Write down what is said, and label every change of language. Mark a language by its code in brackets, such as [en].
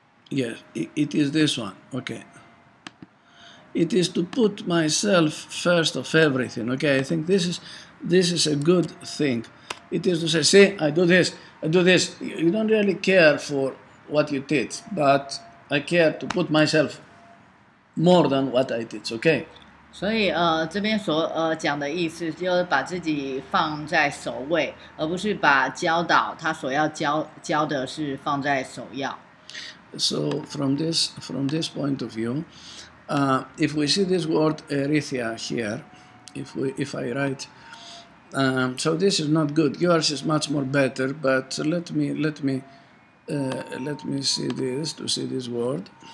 [en] Yes, it is this one. Okay, it is to put myself first of everything. Okay, I think this is a good thing. It is to say, see, I do this. You don't really care for what you teach, but I care to put myself more than what I teach. Okay. [zh] 所以这边所讲的意思就是把自己放在首位，而不是把教导他所要教的是放在首要。 [en] So from this point of view, if we see this word eritheia here, if I write, so this is not good. Yours is much more better. But let me see this to see this word.